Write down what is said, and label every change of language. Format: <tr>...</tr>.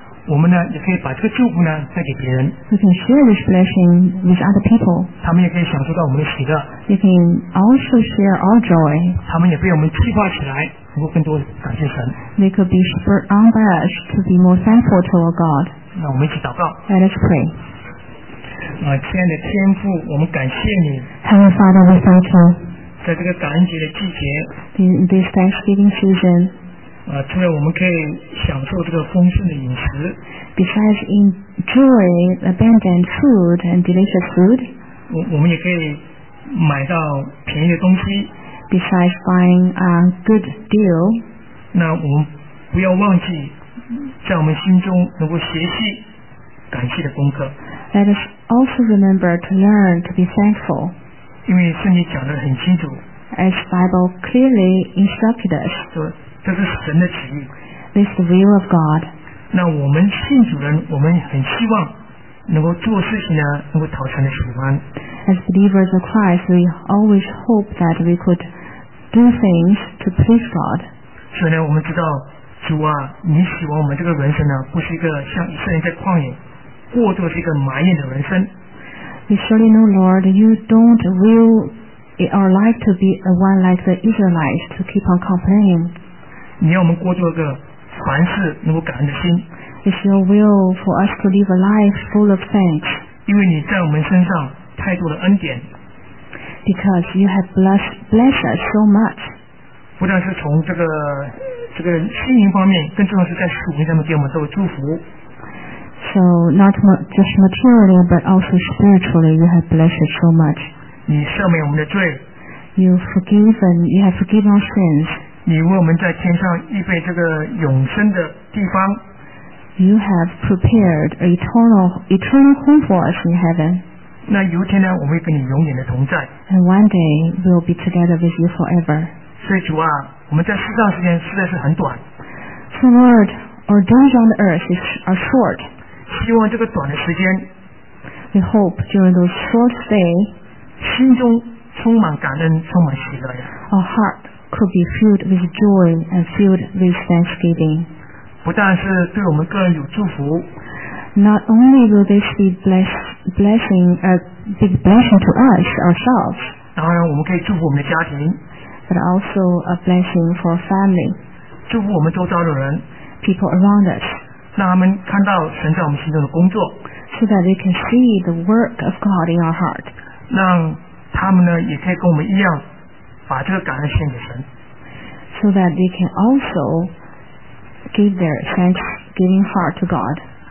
<zh>我们呢也可以把这个祝福呢再给别人</zh> <en>We can share this blessing with other people.</en> <zh>他们也可以享受到我们的喜乐</zh> <en>You can also share our joy.</en> <zh>他们也被我们激发起来，能够更多感谢神。</zh> <en>They could be spurred on by us to be more thankful to our God.</en> <zh>那我们一起祷告。</zh> <en>Let us pray.</en> <zh>亲爱的天父，我们感谢你。</zh> <en>Heavenly Father, we thank you.</en> <zh>在这个感恩节的季节。</zh> <en>In this Thanksgiving season.</en> <zh>除了我们可以享受这个丰盛的饮食。</zh> <en>Besides enjoying abundant food and delicious food.</en> <zh>我们也可以。买到便宜的东西</zh> <en>Besides buying a good deal</en> <zh>那我们不要忘记在我们心中能够学习感谢的功课</zh> <en>Let us also remember to learn to be thankful</en> <zh>因为圣经讲得很清楚</zh> <en>As Bible clearly instructed us</en> <zh>说这是神的旨意</zh> <en>This is the will of God</en> <zh>那我们信主人我们很希望能够做事情呢能够讨神的喜欢</zh> <en>As believers of Christ, we always hope that we could do things to please God.</en> <zh>所以呢，我们知道主啊，你喜欢我们这个人生呢，不是一个像以色列在旷野过着是一个埋怨的人生。</zh> <en>We surely know, Lord, you don't will our life to be one like the Israelites to keep on complaining.</en> <zh>你要我们过着一个凡事能够感恩的心。</zh> <en>It's your will for us to live a life full of thanks.</en> <zh>因为你在我们身上。太多的恩典</zh> <en>Because you have blessed us so much</en> <zh>不但是从这个心灵方面更重要是在属灵上面给我们这个祝福</zh> <en>So not just materially but also spiritually you have blessed us so much</en> <zh>你赦免我们的罪</zh> <en>You have forgiven our sins</en> <zh>你为我们在天上预备这个永生的地方</zh> <en>You have prepared an eternal home for us in heaven</en> <zh>那有一天呢，我们会跟你永远的同在。</zh> <en>And one day we'll be together with you forever.</en> <zh>所以主啊，我们在世上时间实在是很短。</zh> <en>So Lord, our days on the earth are short.</en> <zh>希望这个短的时间。</zh> <en>We hope during those short days.</en> <zh>心中充满感恩，充满喜乐呀。</zh> <en>Our heart could be filled with joy and filled with thanksgiving.</en> <zh>不但是对我们个人有祝福。</zh> <en>Not only will this be a blessing to us ourselves.</en> <zh>当然，我们可以祝福我们的家庭。</zh> <en>But also a blessing for family.</en> <zh>祝福我们周遭的人。</zh> <en>People around us.</en> <zh>让他们看到神在我们心中的工作。</zh> <en>So that they can see the work of God in our heart.</en> <zh>让他们呢也可以跟我们一样，把这个感恩献给神。</zh> <en>So that they can also give their thanksgiving heart to God.</en>